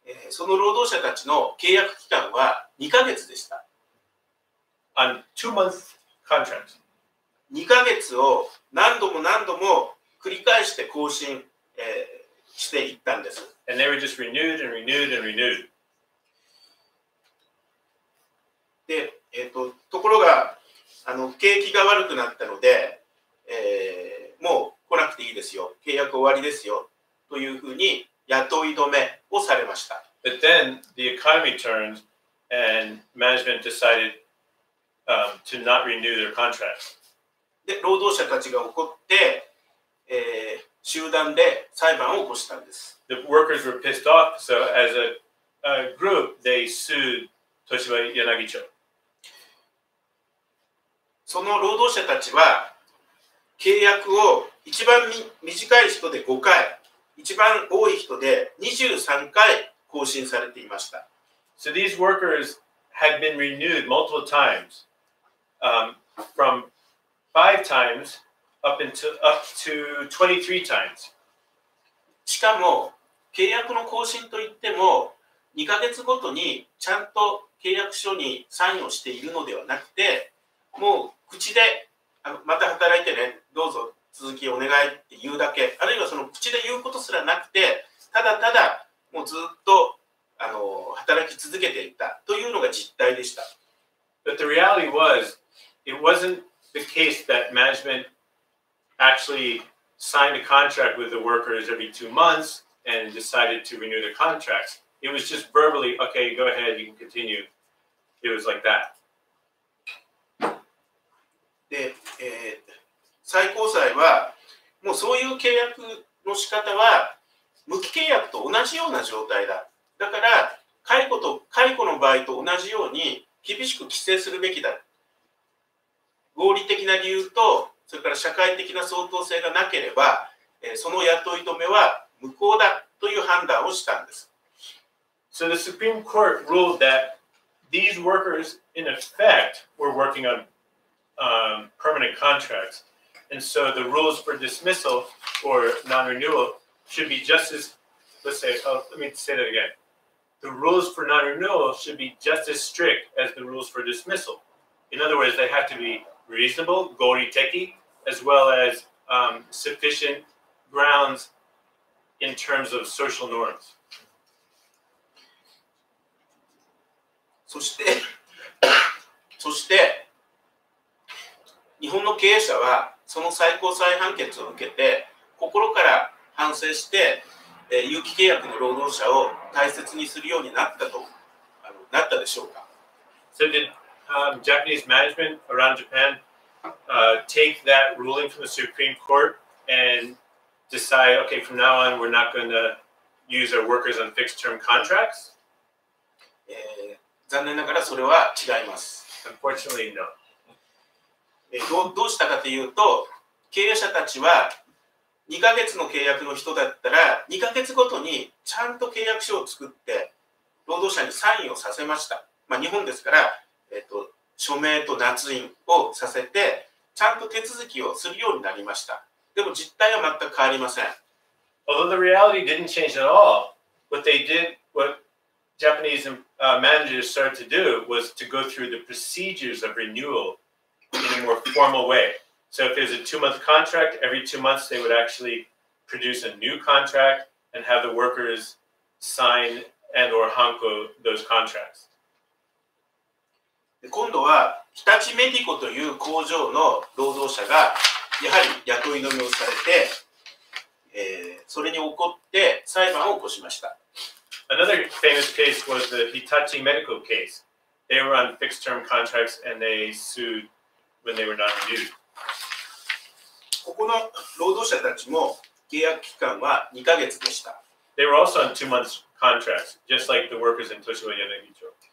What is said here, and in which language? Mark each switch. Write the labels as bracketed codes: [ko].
[ja] その労働者たちの契約期間は2ヶ月でした。 [en] On two-month contract. [ja] 2ヶ月を何度も何度も繰り返して更新、していったんです。 [en] And they were just renewed and renewed and renewed. [ja] で、ところが景気が悪くなったので、もう来なくていいですよ。契約終わりですよ。というふうに雇い止めをされました。 [en] But then the economy turned and management decided, to not renew their contract. [ja] で、労働者たちが怒って、集団で裁判を起こしたんです。 [en] The workers were pissed off, so as a group, they sued 東芝柳町。 [ja] その労働者たちは契約を一番短い人で5回、一番多い人で23回、更新されていました。 [en] So these workers had been renewed multiple times, from 5 times up to 23 times. [ja] しかも契約の更新といっても2ヶ月ごとにちゃんと契約書にサインをしているのではなくて、もう口でまた働いてね、どうぞ続きお願いって言うだけ、あるいはその口で言うことすらなくて、ただただもうずっと働き続けていたというのが実態でした。 [en] But the reality was, it wasn't the case that management actually signed a contract with the workers every 2 months and decided to renew their contracts. It was just verbally, okay, go ahead, you can continue. It was like that. [ja] で、最高裁はもうそういう契約の仕方は無期契約と同じような状態だ。だから解雇と解雇の場合と同じように厳しく規制するべきだ。合理的な理由とそれから社会的な相当性がなければ、その雇い止めは無効だという判断をしたんです。 [en] So the Supreme Court ruled that these workers in effect were working on permanent contracts. And so the rules for dismissal or non-renewal should be just as, The rules for non-renewal should be just as strict as the rules for dismissal. In other words, they have to be reasonable, goriteki, as well as sufficient grounds in terms of social norms. [ja] そして日本の経営者はその最高裁判決を受けて心から反省して、有期契約の労働者を大切にするようになったとなったでしょうか。 [en] So did、Japanese management around Japan、take that ruling from the Supreme Court and decide, okay, from now on we're not going to use our workers on fixed term contracts?、 [ja] 残念ながらそれは違います。 [en] Unfortunately, no. [ja] どうしたかというと、経営者たちは2ヶ月の契約の人だったら、2ヶ月ごとにちゃんと契約書を作って、労働者にサインをさせました。まあ、日本ですから、署名と捺印をさせて、ちゃんと手続きをするようになりました。でも実態は全く変わりません。 [en] Although the reality didn't change at all, what they did, what Japanese managers started to do was to go through the procedures of renewal. In a more formal way. So if it was a two-month contract, every 2 months they would actually produce a new contract and have the workers sign and or hanko those contracts. [ja] で、今度は日立メディコという工場の労働者がやはり雇い止めをされて、それに怒って裁判を起こしました。 [en] Another famous case was the Hitachi Medical case. They were on fixed term contracts and they suedWhen they were not renewed. [ja] ここの労働者たちも契約期間は2ヶ月でした。 [en] They were also on 2 months contracts, just like the workers in Toshiba Yanagichiro.